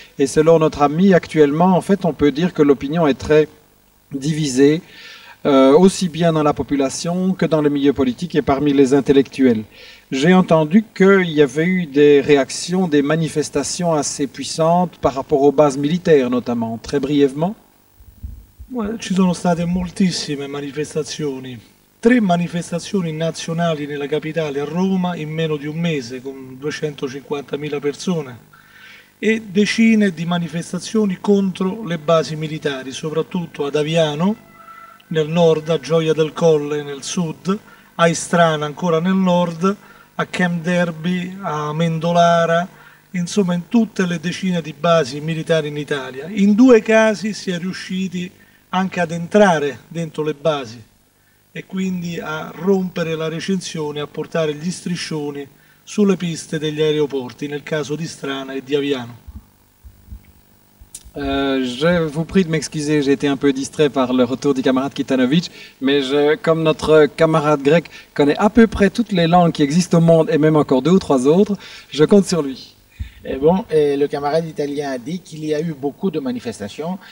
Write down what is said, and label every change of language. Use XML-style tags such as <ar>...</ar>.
<fr>Et selon notre ami, actuellement, en fait, on peut dire que l'opinion est très divisée, aussi bien dans la population que dans le milieu politique et parmi les intellectuels. J'ai entendu qu'il y avait eu des réactions, des manifestations assez puissantes par rapport aux bases militaires, notamment, très brièvement.</fr> <it>Ouais, ci sono state moltissime manifestazioni. Tre manifestazioni nazionali nella capitale, a Roma, in meno di un mese, con 250.000 persone. E decine di manifestazioni contro le basi militari, soprattutto ad Aviano, nel nord, a Gioia del Colle, nel sud, a Istrana, ancora nel nord, a Camp Derby, a Mendolara, insomma in tutte le decine di basi militari in Italia. In due casi si è riusciti anche ad entrare dentro le basi e quindi a rompere la recinzione, a portare gli striscioni sulle piste degli aeroporti, nel caso di Strana e di Aviano.</it> <fr>Je vous prie de m'excuser, j'ai été un peu distrait par le retour du camarade Kitanovic, mais comme notre camarade grec connaît à peu près toutes les langues qui existent au monde et même encore deux ou trois autres, je compte sur lui. Et bon, et le camarade italien a dit qu'il y a eu beaucoup de manifestations.</fr>